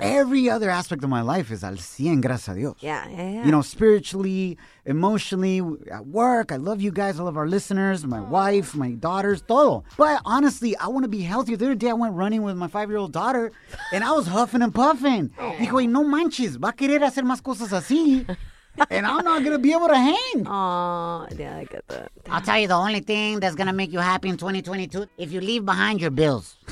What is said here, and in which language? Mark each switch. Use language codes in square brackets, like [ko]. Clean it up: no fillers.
[en] Every other aspect of my life is [es] al 100, gracias a Dios. [en] Yeah. You know, spiritually, emotionally, at work. I love you guys. I love our listeners, my wife, my daughters, todo. But honestly, I want to be healthier. The other day I went running with my 5-year-old daughter and I was huffing and puffing. [es] Dijo, y no manches, va a querer hacer más cosas así. [en] And I'm not going to be able to hang. Oh, yeah, I get that. Damn. I'll tell you the only thing that's going to make you happy in 2022, if you leave behind your bills.